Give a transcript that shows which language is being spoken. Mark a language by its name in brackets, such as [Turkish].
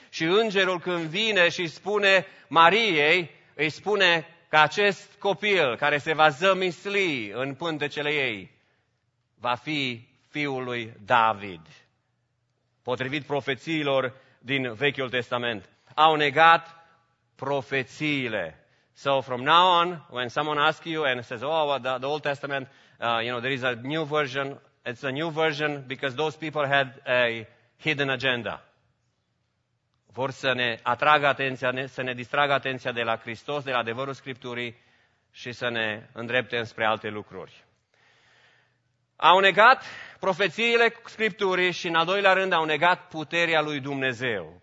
[Romanian] Și îngerul, când vine și spune Mariei, îi spune că acest copil care se va zămisli în pântecele ei va fi fiul lui David. Potrivit profețiilor din Vechiul Testament. Au negat profețiile. [English] So from now on, when someone asks you and says, oh, the Old Testament, there is a new version. It's a new version because those people had a hidden agenda. [Romanian] Vor să ne atragă atenția, să ne distragă atenția de la Hristos, de la adevărul Scripturii și să ne îndrepte înspre alte lucruri. Au negat profețiile Scripturii și, în al doilea rând, au negat puterea lui Dumnezeu.